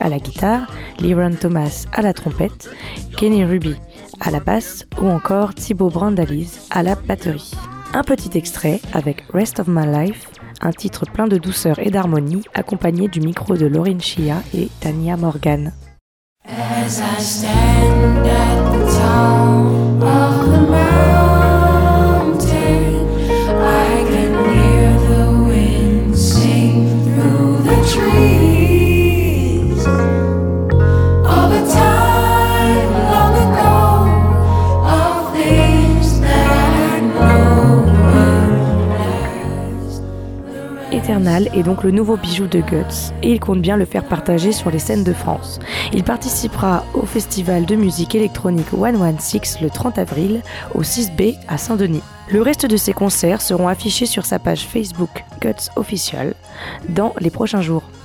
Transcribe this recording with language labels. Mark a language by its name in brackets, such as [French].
[French] à la guitare, Liron Thomas à la trompette, Kenny Ruby à la basse ou encore Thibaut Brandalis à la batterie. Un petit extrait avec Rest of My Life, un titre plein de douceur et d'harmonie accompagné du micro de Lauryn Shea et Tania Morgan. [English] As I stand at the top of the mountain, I can hear the wind sing through the trees. All the time long ago, all things that I know were last. [French] Eternal est donc le nouveau bijou de Guts et il compte bien le faire partager sur les scènes de France. Il participera au festival de musique électronique 116 le 30 avril au 6B à Saint-Denis. Le reste de ses concerts seront affichés sur sa page Facebook Guts Official dans les prochains jours.